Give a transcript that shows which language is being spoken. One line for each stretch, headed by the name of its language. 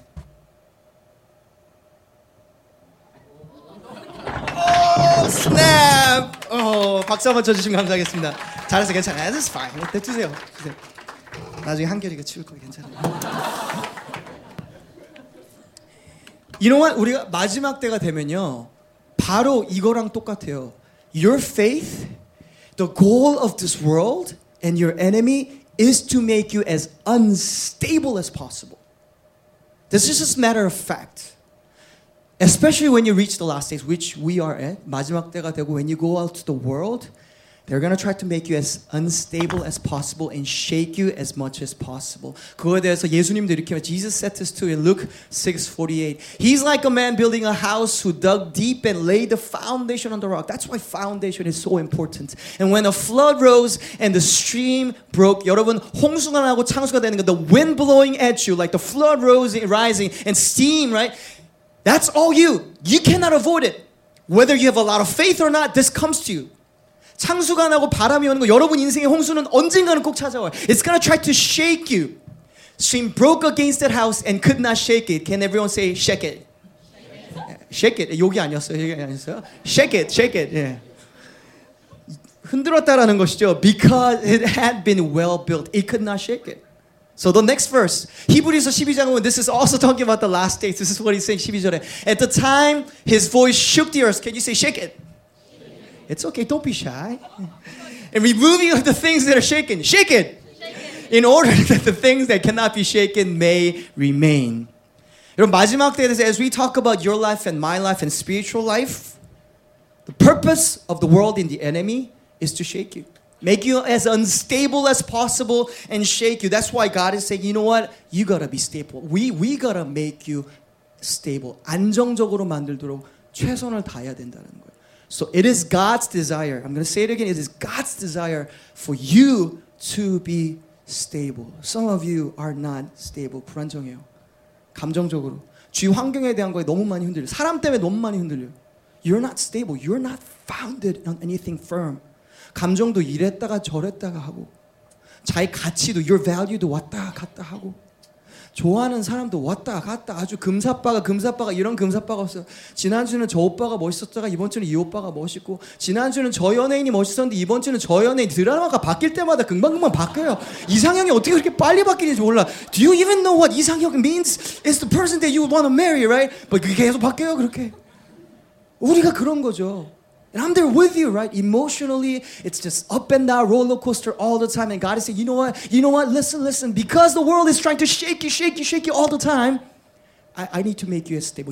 English: Oh, snap!
Korean: Oh, 박수 한번 쳐주시면 감사하겠습니다. 잘해서 괜찮아요.
English: This is fine.
Korean: 냅두세요. 나중에 한결이가 치울 거 괜찮아요.
English: You know what?
Korean: 우리가 마지막 때가 되면요. 바로 이거랑 똑같아요.
English: Your faith, the goal of this world, and your enemy is to make you as unstable as possible. This is just a matter of fact. Especially when you reach the last days, which we are at.
Korean: 마지막 때가 되고
English: when you go out to the world, they're going to try to make you as unstable as possible and shake you as much as possible.
Korean: 그거에 대해서 예수님도 이렇게
English: Jesus said this too in Luke 6:48. He's like a man building a house who dug deep and laid the foundation on the rock. That's why foundation is so important. And when a flood rose and the stream broke,
Korean: 여러분, 홍수가 나고 창수가 되는 거,
English: the wind blowing at you, like the flood rose rising and steam, right? That's all you. You cannot avoid it. Whether you have a lot of faith or not, this comes to you.
Korean: 창수가 나고 바람이 오는 거 여러분 인생의 홍수는 언젠가는 꼭 찾아와요.
English: It's gonna try to shake you. Stream broke against that house and could not shake it. Can everyone say shake it? Shake it.
Korean: 여기 아니었어요. 여기 아니었어요.
English: Shake it. Shake it. Yeah.
Korean: 흔들었다라는 것이죠.
English: Because it had been well built. It could not shake it. So the next verse, Hebrews 12:1, this is also talking about the last days. This is what he's saying 12절에. At the time, his voice shook the earth. Can you say shake it? It's okay, don't be shy. and removing of the things that are shaken. Shake it! In order that the things that cannot be shaken may remain.
Korean: 여러분, 마지막 때에 대해서,
English: as we talk about your life and my life and spiritual life, the purpose of the world and the enemy is to shake you. Make you as unstable as possible and shake you. That's why God is saying, you know what? You gotta be stable. We gotta make you stable.
Korean: 안정적으로 만들도록 최선을 다해야 된다는 거예요.
English: So it is God's desire. I'm gonna say it again. It is God's desire for you to be stable. Some of you are not stable.
Korean: 불안정해요. 감정적으로. 주위 환경에 대한 거에 너무 많이 흔들려. 사람 때문에 너무 많이 흔들려요.
English: You're not stable. You're not founded on anything firm.
Korean: 감정도 이랬다가 저랬다가 하고 자의 가치도 your value도 왔다 갔다 하고 좋아하는 사람도 왔다 갔다 아주 금사빠가 금사빠가 이런 금사빠가 없어요. 지난주는 저 오빠가 멋있었다가 이번주는 이 오빠가 멋있고 지난주는 저 연예인이 멋있었는데 이번주는 저 연예인 드라마가 바뀔 때마다 금방금방 바뀌어요. 이상형이 어떻게 그렇게 빨리 바뀌는지 몰라.
English: Do you even know what 이상형 means? It's the person that you want to marry, right? But
Korean: 계속 바뀌어요 그렇게. 우리가 그런 거죠.
English: And I'm there with you, right? Emotionally, it's just up and down, roller coaster all the time. And God is saying, you know what? You know what? Listen, listen. Because the world is trying to shake you, shake you, shake you all the time, I need to make you as stable.